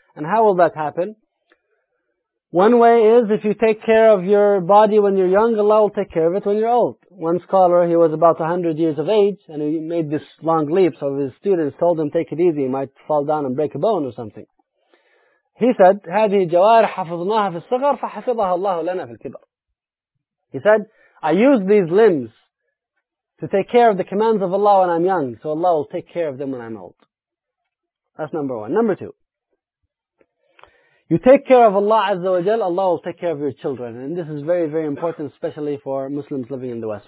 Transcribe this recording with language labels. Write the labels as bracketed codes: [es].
[en] And how will that happen? One way is if you take care of your body when you're young, Allah will take care of it when you're old. One scholar, he was about 100 years of age and he made this long leap. So his students told him, take it easy, he might fall down and break a bone or something. He said, [ar] هذه جوارح حفظناها في الصغر فحفظها الله لنا في الكبر. [en] He said, I use these limbs to take care of the commands of Allah when I'm young, so Allah will take care of them when I'm old. That's number one. Number two, you take care of Allah Azza wa Jal, Allah will take care of your children. And this is very, very important, especially for Muslims living in the West.